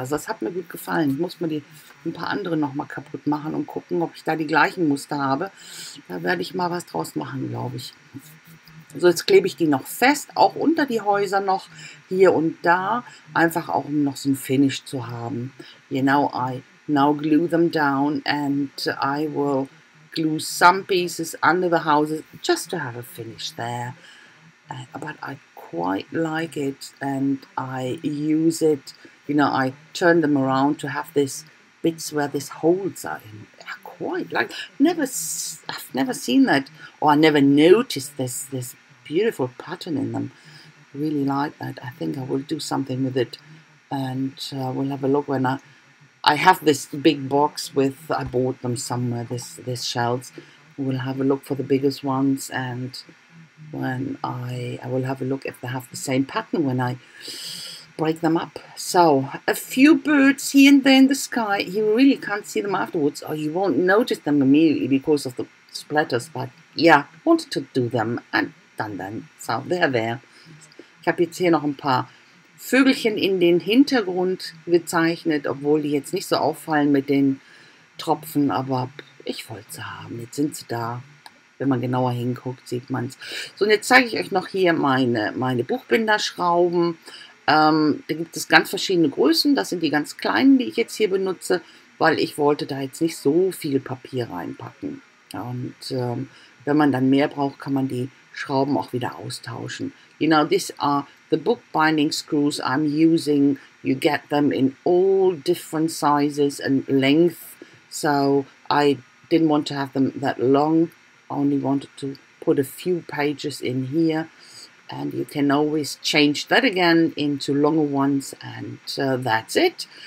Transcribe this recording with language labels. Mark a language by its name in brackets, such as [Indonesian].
[German] Also das hat mir gut gefallen. Ich muss mir die ein paar andere nochmal kaputt machen und gucken, ob ich da die gleichen Muster habe. Da werde ich mal was draus machen, glaube ich. So, jetzt klebe ich die noch fest, auch unter die Häuser noch, hier und da. Einfach auch, um noch so ein Finish zu haben. [English] You know, I now glue them down and I will glue some pieces under the houses just to have a finish there. But I quite like it and I use it, you know, I turn them around to have these bits where these holes are in. I quite like, I've never seen that or I never noticed this beautiful pattern in them. I really like that. I think I will do something with it and we'll have a look when I have this big box with, I bought them somewhere, this shells. We'll have a look for the biggest ones and when I will have a look if they have the same pattern when I break them up. So a few birds here and there in the sky. You really can't see them afterwards or you won't notice them immediately because of the splatters, but yeah, wanted to do them and done them. So they're there. [German] Ich habe jetzt hier noch ein paar Vögelchen in den Hintergrund gezeichnet, obwohl die jetzt nicht so auffallen mit den Tropfen, aber ich wollte sie haben. Jetzt sind sie da. Wenn man genauer hinguckt, sieht man es. So, und jetzt zeige ich euch noch hier meine Buchbinderschrauben. Da gibt es ganz verschiedene Größen. Das sind die ganz kleinen, die ich jetzt hier benutze, weil ich wollte da jetzt nicht so viel Papier reinpacken. Und wenn man dann mehr braucht, kann man die Schrauben auch wieder austauschen. [English] You know, these are the bookbinding screws I'm using. You get them in all different sizes and length. So I didn't want to have them that long. I only wanted to put a few pages in here and you can always change that again into longer ones and that's it.